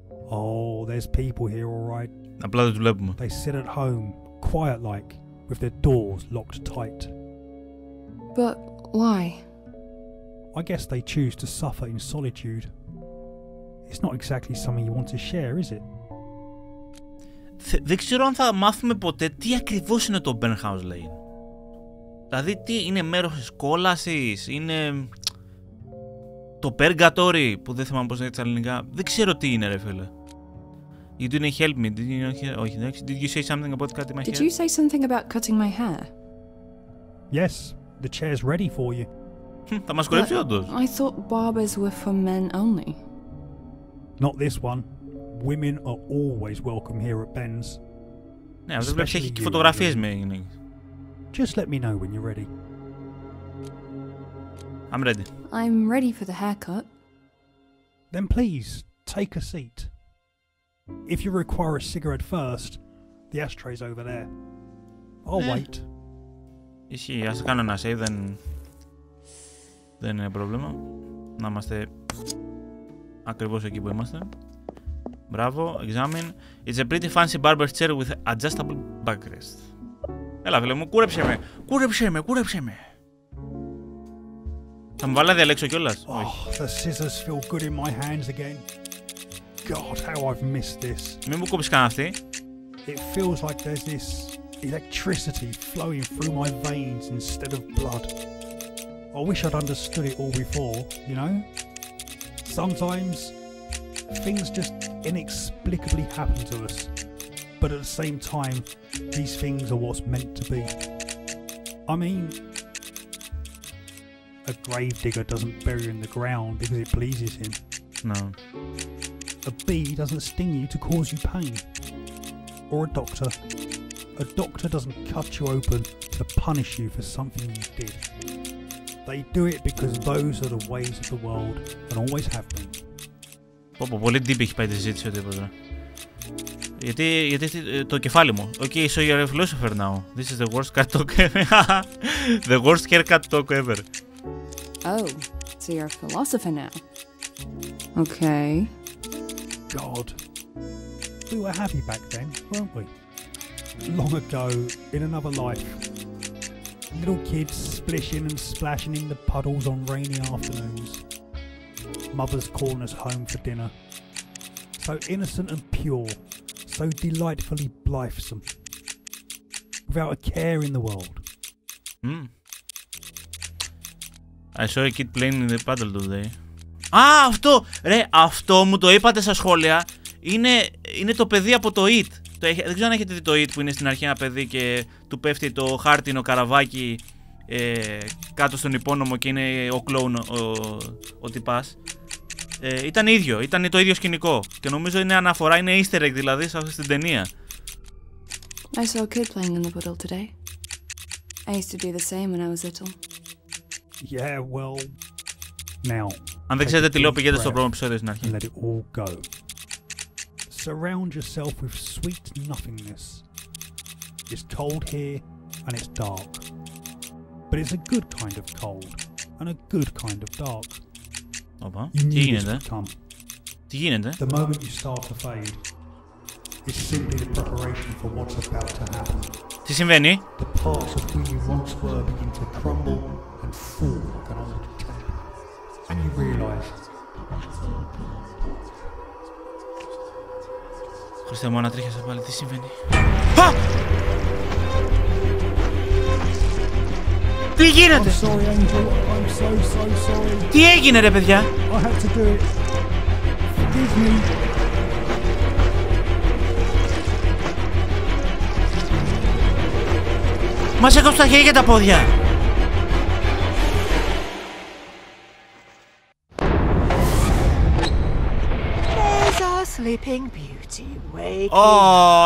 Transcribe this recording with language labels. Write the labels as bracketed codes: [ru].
[en] Oh, there's people here, all right. [el] Απλά δεν τους βλέπουμε. [en] They sit at home, quiet-like, with their doors locked tight. But why? I guess they choose to suffer in solitude. It's not exactly something you want to share, is it? [el] Δεν ξέρω αν θα μάθουμε ποτέ τι ακριβώς είναι το Burnhouse Lane. Δηλαδή, τι είναι, μέρος της κόλασης, είναι το Purgatory, που δεν θυμάμαι πώς λέγεται στα ελληνικά. Δεν ξέρω τι είναι, ρε φίλε. [en] You didn't help me, did you? [el] Όχι, εντάξει. [en] Did you say something about cutting my hair? Did you say something about cutting my hair? Yes, the chair's ready for you. [el] Θα μας κορέψει όντως. [en] I thought barbers were for men only. Not this one. Women are always welcome here at Ben's. [el] Ναι, αλλά δεν βλέπεις, έχει και φωτογραφίες με γυναίκες. [en] Just let me know when you're ready. I'm ready. I'm ready for the haircut. Then please, take a seat. If you require a cigarette first, the ashtray's over there. I'll wait. [el] Ισχύει, ας κάνω ένα save, δεν είναι πρόβλημα. Να είμαστε ακριβώς εκεί που είμαστε. Μπράβο, examine. [en] It's a pretty fancy barber chair with adjustable backrest. [el] Έλα, φίλε μου, κούρεψε με. Κούρεψε με, κούρεψε με. Θα μου βάλει να διαλέξω κιόλας. [en] The scissors feel good in my hands again. God, how I've missed this. Μην μου κόψεις κανένα αυτή. It feels like there's this electricity flowing through my veins instead of blood. I wish I'd understood it all before, you know? Sometimes things just inexplicably happen to us. But at the same time, these things are what's meant to be. I mean, a grave digger doesn't bury in the ground because it pleases him. No. A bee doesn't sting you to cause you pain. Or a doctor. A doctor doesn't cut you open to punish you for something you did. They do it because those are the ways of the world and always have been. [el] Πόπο, πολύ deep έχει πάει τη ζήτηση οτιδήποτε. Γιατί το κεφάλι μου. [en] Okay, so you're a philosopher now. This is the worst cat talk ever. The worst haircut talk ever. Oh, so you're a philosopher now. Okay. God. We were happy back then, weren't we? Long ago, in another life. Little kids splishing and splashing in the puddles on rainy afternoons. Mother's calling us home for dinner. So innocent and pure. So delightfully blithesome. Without a care in the world. Mm. I saw a kid playing in the puddle today. [el] Ah, αυτό! Ρε, αυτό μου το είπατε στα σχόλια. Είναι το παιδί από το It. Δεν ξέρω αν έχετε δει το It που είναι στην αρχή ένα παιδί και του πέφτει το χάρτινο καραβάκι κάτω στον υπόνομο και είναι ο κλόουν ο τυπάς. Ήταν ίδιο, ήταν το ίδιο σκηνικό και νομίζω είναι αναφορά, είναι easter egg δηλαδή σε αυτή την ταινία. [en] I saw a kid playing in the puddle today. I used to do the same when I was little. Yeah, well, now. [el] Αν δεν ξέρετε τι λέω, πηγαίνετε στο πρώτο επεισόδιο στην αρχή. [en] Let it all go. Surround yourself with sweet nothingness. It's cold here and it's dark. But it's a good kind of cold and a good kind of dark. [el] Opa, τι γίνεται? Τι γίνεται? [en] The moment you start to fade is simply the preparation for what's about to happen. [el] Τι συμβαίνει? [en] The parts of who you once were begin to crumble and fall like an old tape. And you realize. [el] Χριστέ μου, ανατρίχιασα πάλι, τι συμβαίνει? Τι γίνεται? [en] I'm sorry, Angel. I'm so, so sorry. [el] Τι έγινε ρε παιδιά? [en] I had to do it. Forgive me. [el] Μας έκοψε τα χέρια και τα πόδια. [en] There's our sleeping beauty waking.